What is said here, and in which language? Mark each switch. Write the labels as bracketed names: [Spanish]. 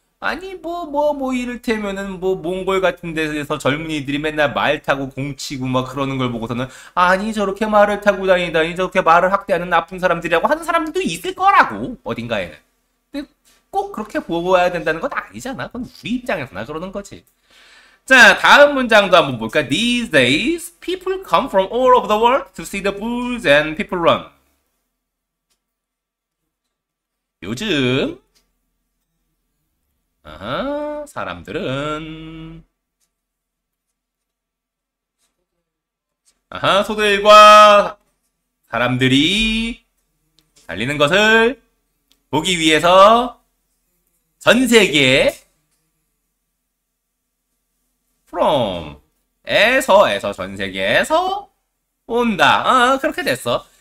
[Korean] 아니, 뭐, 이를테면은, 뭐, 몽골 같은 데서 젊은이들이 맨날 말 타고 공치고 막 그러는 걸 보고서는, 아니, 저렇게 말을 타고 다니다니, 저렇게 말을 학대하는 나쁜 사람들이라고 하는 사람들도 있을 거라고, 어딘가에는. 꼭 그렇게 보아야 된다는 건 아니잖아. 그건 우리 입장에서나 그러는 거지. 자, 다음 문장도 한번 볼까? [English] These days, people come from all over the world to see the bulls and people run. [Korean] 요즘, 사람들은, 소들과 사람들이 달리는 것을 보기 위해서 전 세계에 from에서 전 세계에서 온다. 그렇게 됐어.